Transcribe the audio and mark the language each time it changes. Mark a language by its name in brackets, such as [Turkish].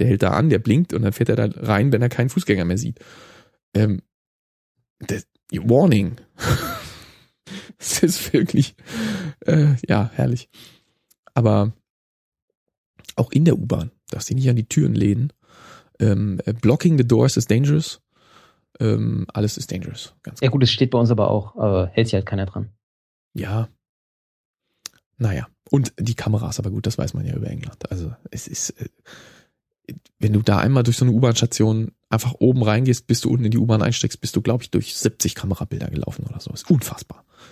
[German] Der hält da an, der blinkt und dann fährt er da rein, wenn er keinen Fußgänger mehr sieht. Warning. Das ist wirklich herrlich. Aber auch in der U-Bahn, dass sie nicht an die Türen lehnen. [English] Blocking the doors is dangerous. [German] Alles ist dangerous. Ganz klar. Ja gut, das steht bei uns aber auch. Aber hält sich halt keiner dran. Ja, naja, und die Kameras, aber gut, das weiß man ja über England. Also es ist, wenn du da einmal durch so eine U-Bahn-Station einfach oben reingehst, bis du unten in die U-Bahn einsteckst, bist du, glaube ich, durch 70 Kamerabilder gelaufen oder so. Ist unfassbar.